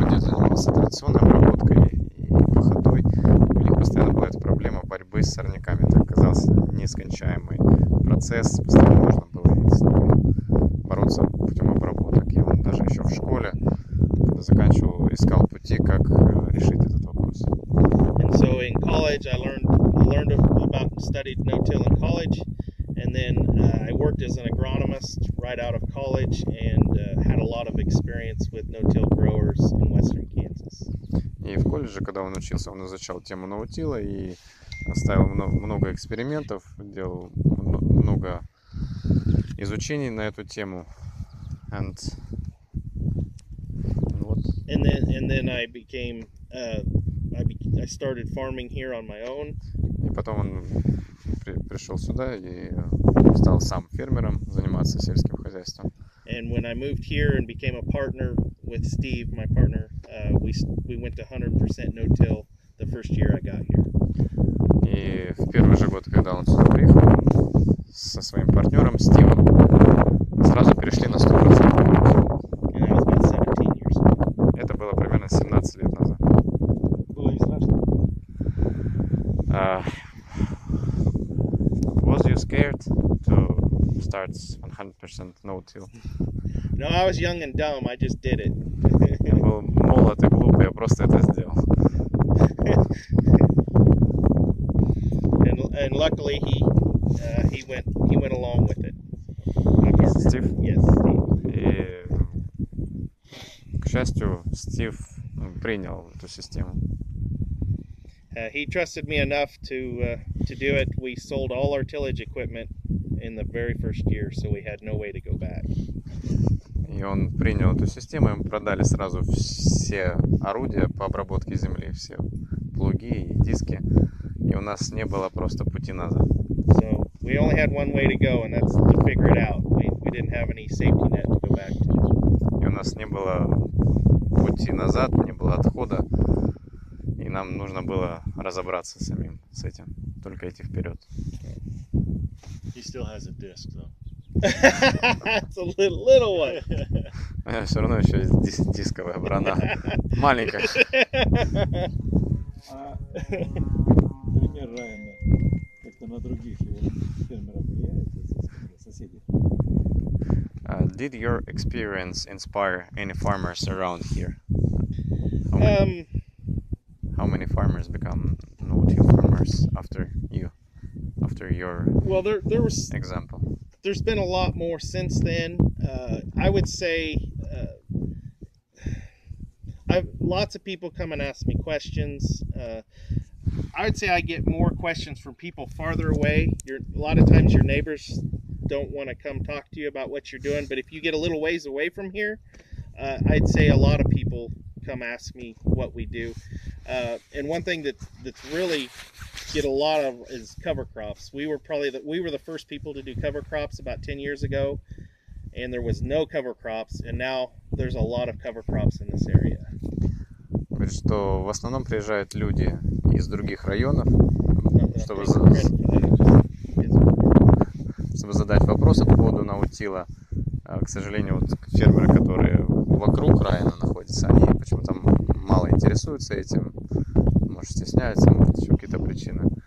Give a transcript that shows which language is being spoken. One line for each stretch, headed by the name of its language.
Russian: Традиционной обработкой и походой. У них постоянно была эта проблема борьбы с сорняками. Это оказался нескончаемый процесс. Постоянно нужно было с ним бороться путем обработок. И он даже еще в школе заканчивал, искал пути, как решить этот вопрос.
English: And so in college I learned about studied no-till in college. And then I worked as an agronomist right out of college and had a lot of experience with no-till growers in Western Kansas.
Russian: И в колледже, когда он учился, он изучал тему ноутила и ставил много экспериментов, делал много изучений на эту тему.
English: And what? And then I started farming here on my own.
Russian: И потом он пришел сюда и стал сам фермером, заниматься сельским хозяйством.
English: And when I moved here and became a partner with Steve, my partner, we went to 100% no-till the first year I got here.
Russian: И в первый же год, когда он сюда приехал со своим партнером Стивом, сразу перешли на 100%.
English: And I was about 17 years old.
Russian: Это было примерно 17 лет назад. Было не страшно?
English: Was you scared to start 100% no-till? No, I was young and dumb. I just did it.
Russian: Я был молод и глуп, я просто это сделал.
English: And luckily he went along with it.
Russian: Стив?
English: Yes, Steve.
Russian: И, к счастью, Стив принял эту систему.
English: He trusted me enough to do it. We sold all our tillage equipment in the very first year, so we had no way to go back.
Russian: И он принял эту систему, ему продали сразу все орудия по обработке земли, все плуги и диски, и у нас не было просто пути назад.
English: So we only had one way to go, and that's to figure it out. We didn't have any safety net to go back to.
Russian: И у нас не было пути назад, не было отхода. Нам нужно было разобраться самим с этим, только идти вперед.
English: He still has a disc, though. It's a little one.
Russian: У меня все равно еще есть дисковая брона. Маленькая. Пример Райана как-то на других его фермеров влияет, соседей.
English: Did your experience inspire any farmers around here? How many farmers become no-till farmers after you, after your well, there was, example? There's been a lot more since then. I would say I've lots of people come and ask me questions. I'd say I get more questions from people farther away. A lot of times your neighbors don't want to come talk to you about what you're doing, but if you get a little ways away from here, I'd say a lot of people come ask me what we do. And one thing that's really get a lot of is cover crops. We were the first people to do cover crops about 10 years ago, and there was no cover crops, and now there's a lot of cover crops in this area.
Russian: Говорит, что в основном приезжают люди из других районов, чтобы задать вопросы по поводу ноутила. К сожалению, вот фермеры, которые вокруг Райана находятся, они почему-то мало интересуются этим, может, стесняются, может, еще какие-то причины.